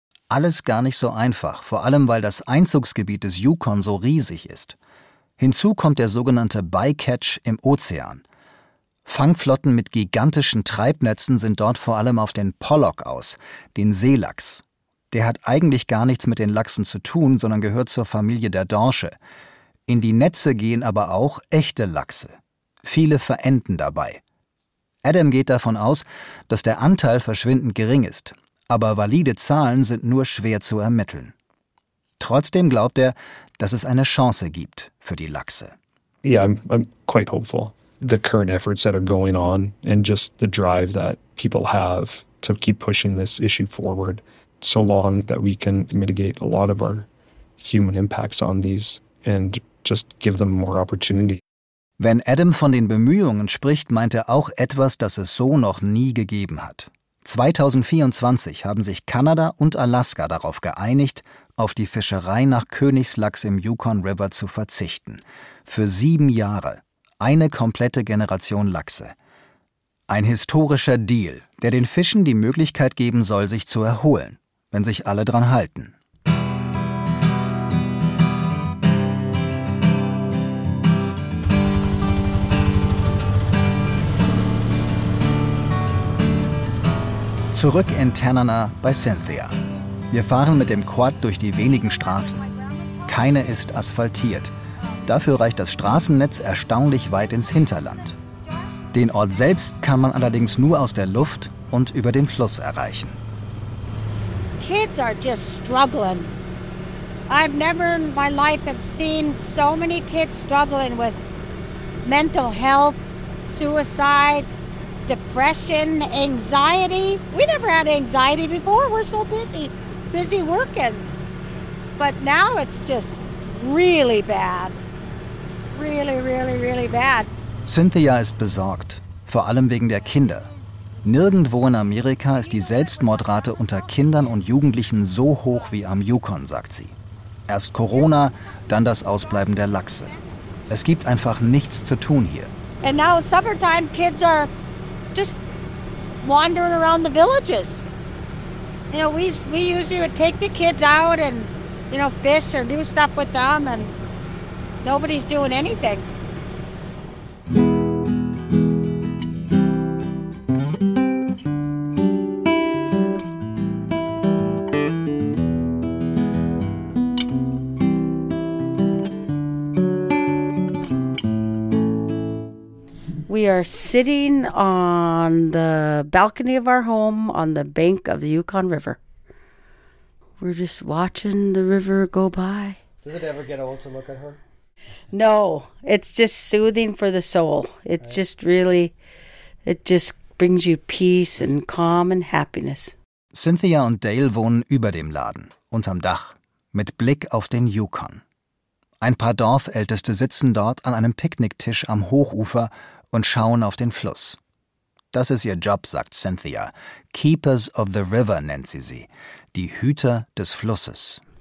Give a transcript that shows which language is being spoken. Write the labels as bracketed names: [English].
[German] Alles gar nicht so einfach, vor allem weil das Einzugsgebiet des Yukon so riesig ist. Hinzu kommt der sogenannte Bycatch im Ozean. Fangflotten mit gigantischen Treibnetzen sind dort vor allem auf den Pollock aus, den Seelachs. Der hat eigentlich gar nichts mit den Lachsen zu tun, sondern gehört zur Familie der Dorsche. In die Netze gehen aber auch echte Lachse. Viele verenden dabei. Adam geht davon aus, dass der Anteil verschwindend gering ist, aber valide Zahlen sind nur schwer zu ermitteln. Trotzdem glaubt er, dass es eine Chance gibt für die Lachse. [English] Yeah, I'm quite hopeful. The current efforts that are going on and just the drive that people have to keep pushing this issue forward, so long that we can mitigate a lot of our human impacts on these and just give them more opportunity. [German] Wenn Adam von den Bemühungen spricht, meint er auch etwas, das es so noch nie gegeben hat. 2024 haben sich Kanada und Alaska darauf geeinigt, auf die Fischerei nach Königslachs im Yukon River zu verzichten. Für 7 Jahre. Eine komplette Generation Lachse. Ein historischer Deal, der den Fischen die Möglichkeit geben soll, sich zu erholen, wenn sich alle dran halten. Zurück in Tanana bei Cynthia. Wir fahren mit dem Quad durch die wenigen Straßen. Keine ist asphaltiert. Dafür reicht das Straßennetz erstaunlich weit ins Hinterland. Den Ort selbst kann man allerdings nur aus der Luft und über den Fluss erreichen. [English] Kids are just struggling. I've never in my life have seen so many kids struggling with mental health, suicide, depression, anxiety. We never had anxiety before. We're so busy working. But now it's just really bad. Really, really, really bad. [German] Cynthia ist besorgt, vor allem wegen der Kinder. Nirgendwo in Amerika ist die Selbstmordrate unter Kindern und Jugendlichen so hoch wie am Yukon, sagt sie. Erst Corona, dann das Ausbleiben der Lachse. Es gibt einfach nichts zu tun hier. [English] And now in summertime kids are just wandering around the villages. You know, we usually would take the kids out and, you know, fish or do stuff with them and nobody's doing anything. We are sitting on the balcony of our home on the bank of the Yukon River. We're just watching the river go by. Does it ever get old to look at her? No, it's just soothing for the soul. It's right. Just really, it just brings you peace and calm and happiness. [German] Cynthia und Dale wohnen über dem Laden, unterm Dach, mit Blick auf den Yukon. Ein paar Dorfälteste sitzen dort an einem Picknicktisch am Hochufer und schauen auf den Fluss. Das ist ihr Job, sagt Cynthia. Keepers of the River nennt sie sie, die Hüter des Flusses.